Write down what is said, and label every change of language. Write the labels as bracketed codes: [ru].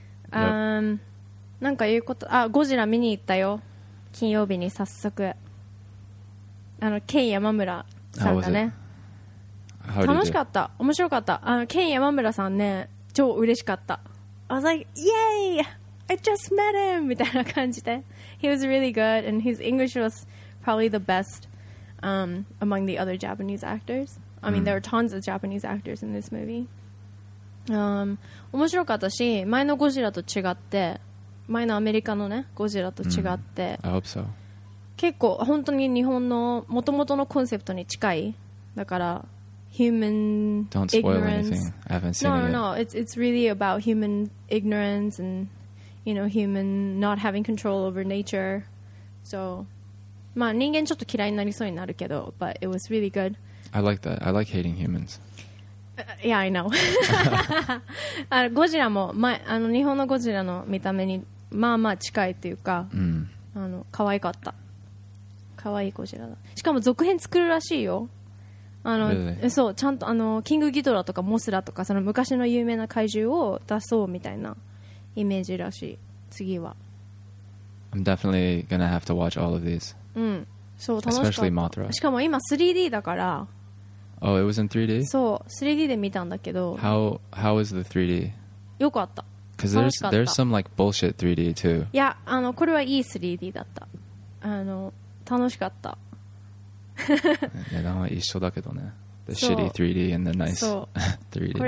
[ja] なんか言うこと、あ、ゴジラ見に行ったよ金曜日に。早速あのケイ山村さんがね、楽しかった、面白かった。あのケイ山村さんね超嬉しかった。 [en] I was like yay I just met him [ja] みたいな感じで。 [en] He was really good and his English was probably the best、among the other Japanese actors. I mean、うん、there are tons of Japanese actors in this movie. [ja] 面白かったし、前のゴジラと違って、前のアメリカのねゴジラと違って、 [en] mm. I hope so. [ja] 結構本当に日本の元々のコンセプトに近い。だから human [en] Don't spoil ignorance. Anything. I haven't seen No, it's really about human ignorance and you know human not having control over nature. [ja] So, まあ人間ちょっと嫌いになりそうになるけど、 [en] but it was really good. I like that. I like hating humans. Yeah, I know. [ja] あのゴジラも、ま、あの日本のゴジラの見た目にまあまあ近いっていうか、 mm. あの可愛かった、可愛いゴジラだ。しかも続編作るらしいよ。あの、 [en] really? [ja] そうちゃんとあのキングギドラとかモスラとかその昔の有名な怪獣を出そうみたいなイメージらしい。次は [en] I'm definitely gonna have to watch all of these. [ja] うん、そう楽しかった。 [en] Especially Mothra. [ja] しかも今 3D だから。 [en] Oh, it was in 3D? [ja] そう、3D で見たんだけど。 [en] How was the 3D? [ja] よかった。 [en] Because there's some like bullshit 3D too. [ja] いや、あの、これはいい 3D だった。あの、楽しかった。値段は一緒だけどね。 [en] The shitty 3D and the nice 3D.